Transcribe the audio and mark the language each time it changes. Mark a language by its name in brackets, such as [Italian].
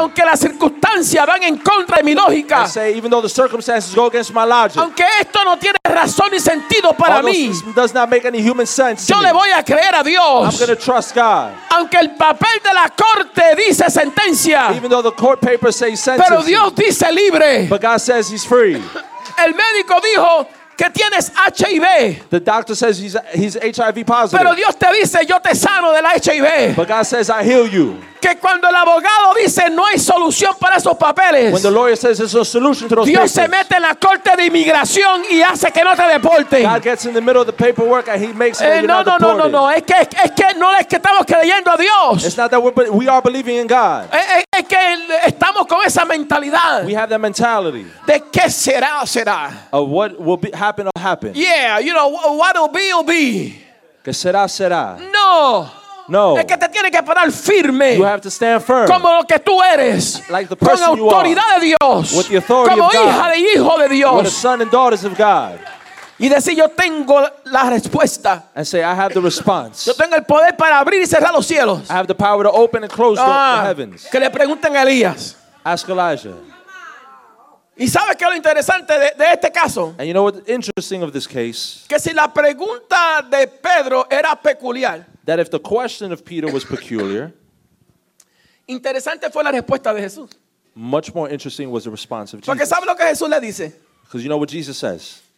[Spanish] Aunque las circunstancias van en contra de mi lógica. [English] And say, even though the circumstances go against my logic. [Spanish] Aunque esto no tiene razón ni sentido para mí. [English] Does not make any human sense [Spanish] yo [English] to [Spanish] le [English] me. [Spanish] Voy a creer a Dios. [English] I'm going to trust God. [Spanish] Aunque el papel de la corte dice sentencia. [English] Even though the court papers say sentence, [Spanish] pero Dios dice libre. [English] But God says He's free. [Spanish] El médico dijo que tienes HIV. [English] The doctor says he's HIV positive. [Spanish] Pero Dios te dice yo te sano del HIV. [English] But God says I heal you. [Spanish] Que cuando el abogado dice no hay solución para esos papeles. [English] When the lawyer says there's no solution to those [Spanish] Dios [English] papers. [Spanish] Dios se mete en la corte de inmigración y hace que no te deporten. [English] God gets in the middle of the paperwork and He makes it [Spanish] no, [English] you're not [Spanish] no, [English] deported. [Spanish] No, no, no. Es que no es que estamos creyendo a Dios. [English] It's not that we are believing in God. [Spanish] Es que estamos con esa mentalidad. [English] We have that mentality. [Spanish] De qué será, será. [English] Of what will be, happen, will happen. Yeah, you know, what will be. [Spanish] Que será, será. No. [English] No. [Spanish] Es que te tienes que parar firme. [English] You have to stand firm. [Spanish] Como lo que tú eres. [English] Like the person [Spanish] con autoridad [English] you are. [Spanish] De Dios. [English] With the authority [Spanish] como [English] of God. [Spanish] Hija de hijo de Dios. [English] With the son and daughters of God. [Spanish] Y decir yo tengo la respuesta. [English] And say I have the response. [Spanish] Yo tengo el poder para abrir y cerrar los cielos. [English] I have the power to open and close the heavens. [Spanish] Que le pregunten a Elías. [English] Ask Elijah. [Spanish] ¿Y sabes qué es lo interesante de este caso? [English] And you know what's interesting of this case? [Spanish] Que si la pregunta de Pedro era peculiar. [English] That if the question of Peter was peculiar, [Spanish] interesante fue la respuesta de Jesús. [English] Much more interesting was the response of Jesus. [Spanish] Porque sabe lo que Jesús le dice. [English] Because you know what Jesus says.